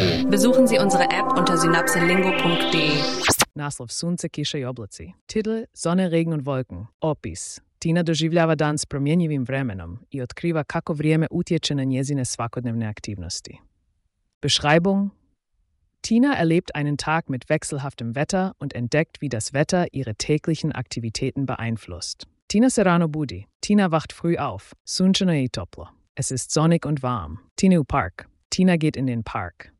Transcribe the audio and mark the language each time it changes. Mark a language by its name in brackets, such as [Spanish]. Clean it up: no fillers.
[German] Besuchen Sie unsere App unter synapselingo.de. [Croatian] Naslov sunce, kiša i oblaci. [German] Titel: Sonne, Regen und Wolken. [Croatian] Opis: Tina doživljava dan s promjenjivim vremenom i otkriva kako vrijeme utječe na njezine svakodnevne aktivnosti. [German] Beschreibung: Tina erlebt einen Tag mit wechselhaftem Wetter und entdeckt, wie das Wetter ihre täglichen Aktivitäten beeinflusst. [Croatian] Tina Serrano Budi. [German] Tina wacht früh auf. [Croatian] Sunčano je i toplo. [German] Es ist sonnig und warm. [Croatian] Tina u park. [German] Tina geht in den Park.